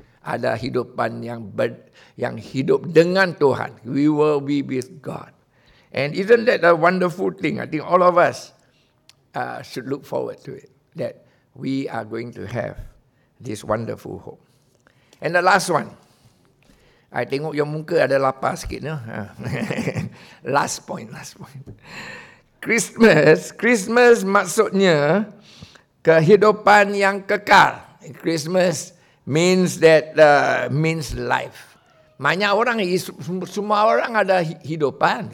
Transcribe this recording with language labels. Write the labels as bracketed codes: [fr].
[ms] Ada hidupan yang hidup dengan Tuhan. [en] We will be with God. And isn't that a wonderful thing? I think all of us should look forward to it. That we are going to have this wonderful hope. And the last one. I [ms] tengok your muka ada lapar sikit. [en] No? last point. [ms] Christmas maksudnya kehidupan yang kekal. [en] Christmas means that means life. [ms] Banyak orang, semua orang ada hidupan.